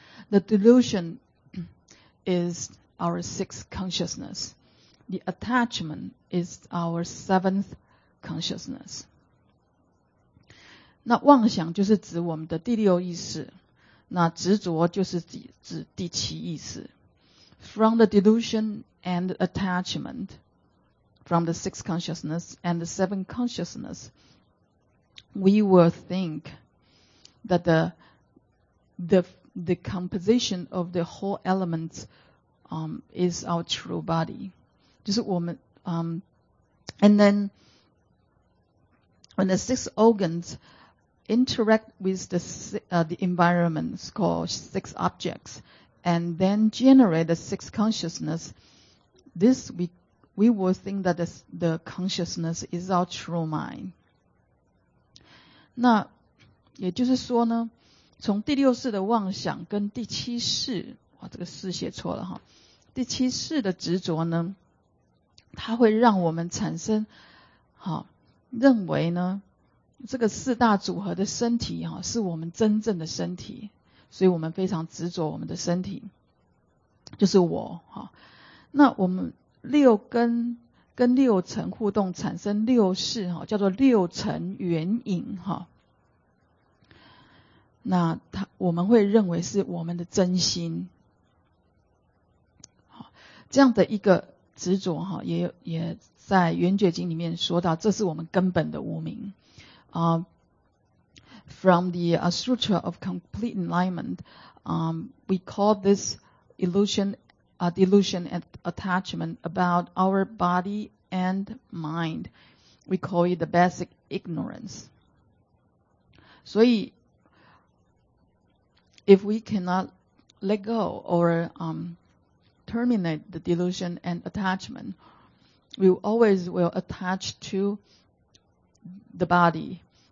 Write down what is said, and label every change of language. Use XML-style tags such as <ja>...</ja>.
<en>The delusion is our sixth consciousness. The attachment is our seventh consciousness.</en> <zh>那妄想就是指我们的第六意识，那执着就是 指第七意识。</zh> <en>From the delusion and attachment, from the sixth consciousness and the seventh consciousness,We will think that the composition of the whole elements is our true body.</en> <zh>就是我们</zh> <en>and then when the six organs interact with the environment, it's called six objects, and then generate the six consciousness, this we will think that the consciousness is our true mind.</en> <zh>那也就是说呢，从第六识的妄想跟第七识，哇，这个识写错了哈，第七识的执着呢，它会让我们产生，认为呢，这个四大组合的身体哈，是我们真正的身体，所以我们非常执着我们的身体，就是我哈。那我们六根。跟六尘互动产生六识，叫做六尘缘影。那他我们会认为是我们的真心。好，这样的一个执着哈，也在圆觉经里面说到，这是我们根本的无明啊。</zh> <en>From the sutra of complete enlightenment, we call this illusion, delusion and attachment about our body and mind. We call it the basic ignorance. 所以 if we cannot let go or terminate the delusion and attachment, we always will attach to the body.</en>